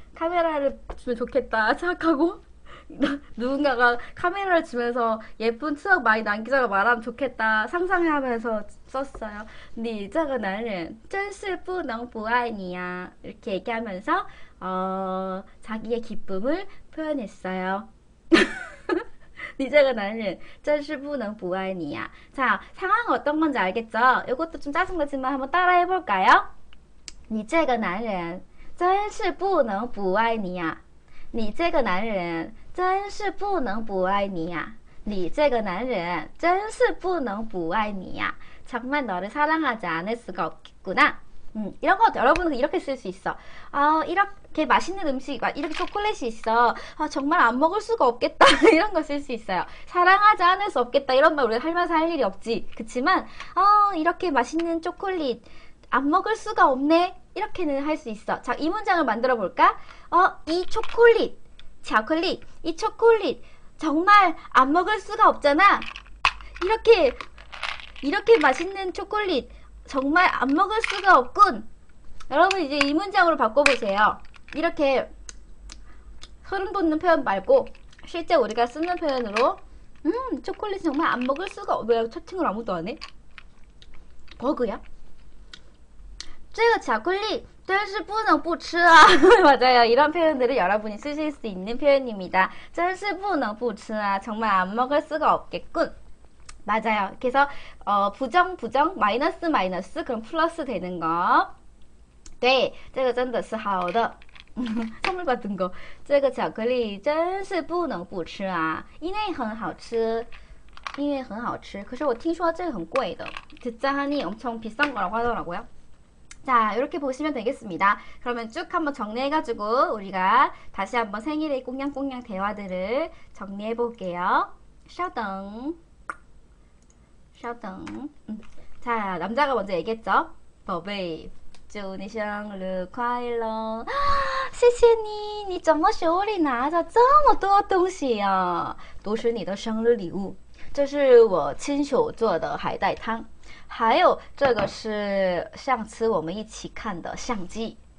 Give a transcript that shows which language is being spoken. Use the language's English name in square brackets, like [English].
[Korean] 카메라를 주면 좋겠다 생각하고 누군가가 카메라를 주면서 예쁜 추억 많이 남기자고 말하면 좋겠다 상상하면서 썼어요. 니 저거 나는 [Chinese] 真是不能不爱你呀 [Korean] 이렇게 얘기하면서 자기의 기쁨을 표현했어요. 니 저거 나는 [Chinese] 真是不能不爱你呀. [Korean] 자, 상황 어떤 건지 알겠죠? 이것도 좀 짜증나지만 한번 따라 해볼까요? [Chinese] 你这个男人真是不能不爱你呀！你这个男人真是不能不爱你呀！你这个男人真是不能不爱你呀！ [Korean] 정말 너를 사랑하지 않을 수가 없겠구나. 이런 것도 여러분은 이렇게 쓸수 있어. 이렇게 맛있는 음식, 이렇게 초콜릿이 있어. 정말 안 먹을 수가 없겠다. 이런 거쓸수 있어요. 사랑하지 않을 수 없겠다. 이런 말 우리가 살면서 할 일이 없지. 그치만, 이렇게 맛있는 초콜릿 안 먹을 수가 없네. 이렇게는 할수 있어. 자, 이 문장을 만들어 볼까? 이 초콜릿, 초콜릿, 이 초콜릿 정말 안 먹을 수가 없잖아. 이렇게 맛있는 초콜릿 정말 안 먹을 수가 없군. 여러분 이제 이 문장으로 바꿔보세요. 이렇게 소름 돋는 표현 말고 실제 우리가 쓰는 표현으로 초콜릿 정말 안 먹을 수가 없. 왜 채팅을 아무도 안 해? 버그야? [Chinese] 这个巧克力, 真是不能不吃啊. [Korean] 맞아요. 이런 표현들을 여러분이 쓰실 수 있는 표현입니다. [Chinese] 真是不能不吃啊. [Korean] 정말 안 먹을 수가 없겠군. 맞아요. 그래서, 부정, 부정, 마이너스, 마이너스, 그럼 플러스 되는 거. 네, [Chinese] 这个真的是好的. [Korean] 선물 받은 거. [Chinese] 这个巧克力真是不能不吃啊.因为很好吃.因为很好吃. 可是我听说这个很贵的. [Korean] 듣자 하니 엄청 비싼 거라고 하더라고요. 자, 이렇게 보시면 되겠습니다. 그러면 쭉 한번 정리해가지고 우리가 다시 한번 생일의 꽁냥꽁냥 대화들을 정리해볼게요. [Chinese] 稍等.稍等. [Korean] 자, 남자가 먼저 얘기했죠? [Chinese] 宝贝, 祝你生日快乐. 谢谢你, 你怎么手里拿着这么多东西呀？都是你的生日礼物，这是我亲手做的海带汤。还有这个是上次我们一起看的相机。